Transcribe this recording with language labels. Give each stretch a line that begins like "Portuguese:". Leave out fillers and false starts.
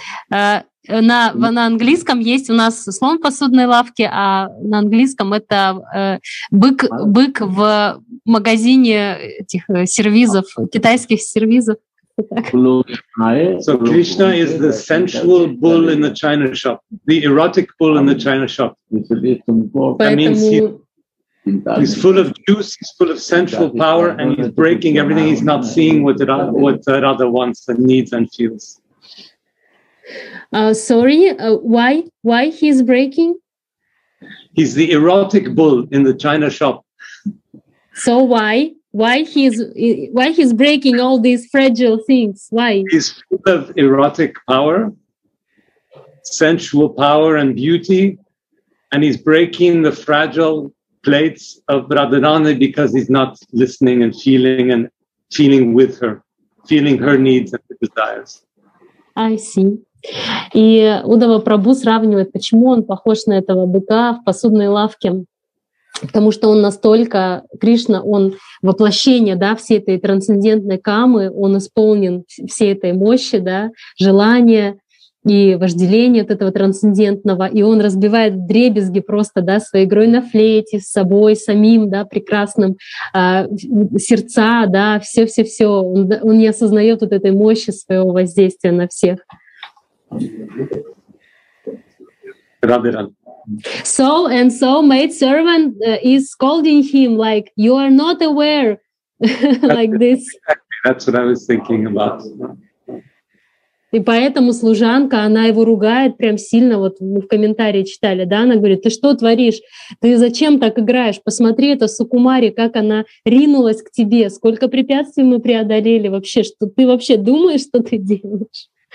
Russian: На английском есть у нас слон в посудной лавке, а на английском это бык в магазине этих сервизов, китайских сервизов.
English: So Krishna is the sensual bull in the china shop, the erotic bull in the china shop. That means he's full of juice, he's full of sensual power, and he's breaking everything. He's not seeing what other wants and needs and feels. Why he's breaking? He's the erotic bull in the china shop. So why he's breaking all these fragile things? Why? He's full of erotic power, sensual power and beauty, and he's breaking the fragile plates of Radharani because he's not listening and feeling with her, feeling her needs and her desires. I see.
Russian: И Удава Прабху сравнивает, почему он похож на этого быка в посудной лавке. Потому что он настолько, Кришна, он воплощение, да, всей этой трансцендентной камы, он исполнен всей этой мощи, да, желания и вожделения от этого трансцендентного, и он разбивает дребезги просто, да, своей игрой на флейте, с собой самим, да, прекрасным, сердца, да, все-все-все, он не осознает вот этой мощи своего воздействия на всех.
English: So and so maid servant is scolding him like you are not aware like this. That's what I was thinking about.
Russian: И поэтому служанка, она его ругает прям сильно. Вот мы в комментарии читали, да, она говорит: ты что творишь? Ты зачем так играешь? Посмотри, это Сукумари, как она ринулась к тебе, сколько препятствий мы преодолели вообще, что ты вообще думаешь, что ты делаешь?